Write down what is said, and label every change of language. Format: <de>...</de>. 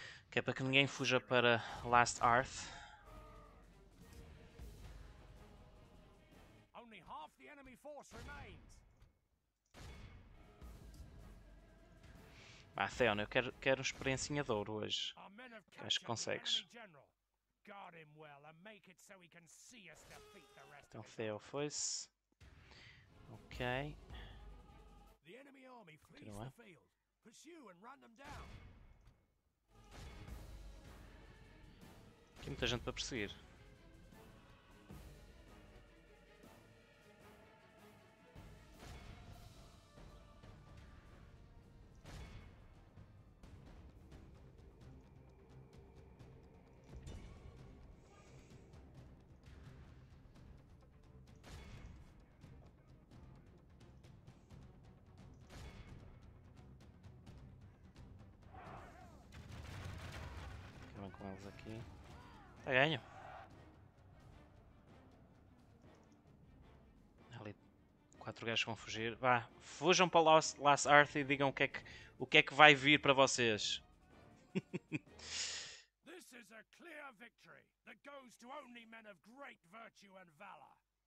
<pt>Que é para que ninguém fuja para Last Arth.</pt> <en>Only half the enemy force remains.</en> <pt>Ah, Theon, eu quero uma experiência de ouro hoje. Acho que consegues.</pt> <en>Guard him well and make it so he can see us defeat the rest.</en> <pt>Então Theon foi-se. Ok.</pt> <en>The enemy army flees the field. Pursue and run them down.</en> <pt>Tem muita gente para perseguir. Acabam com eles aqui. A ganho! Ali, quatro gajos vão fugir. Vá, fujam para Last Arth e digam o que é que vai vir para vocês.</pt> <en>This is a clear victory that goes to only men of great virtue and valor.</en>